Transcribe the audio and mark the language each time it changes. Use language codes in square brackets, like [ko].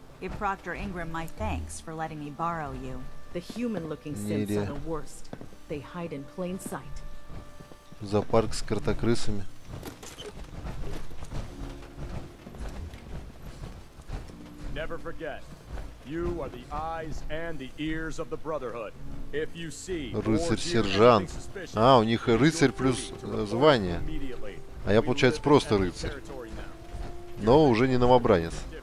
[en] If Proctor Ingram, my thanks for letting me borrow you. The human-looking synths are the worst. They hide in plain sight. [ru] Зоопарк с кротокрысами. [en] Never forget, you are the eyes and the ears of the Brotherhood. If you see рыцарь-сержант. [ru] А, у них рыцарь плюс звание. А я, получается, просто рыцарь. Но уже не новобранец.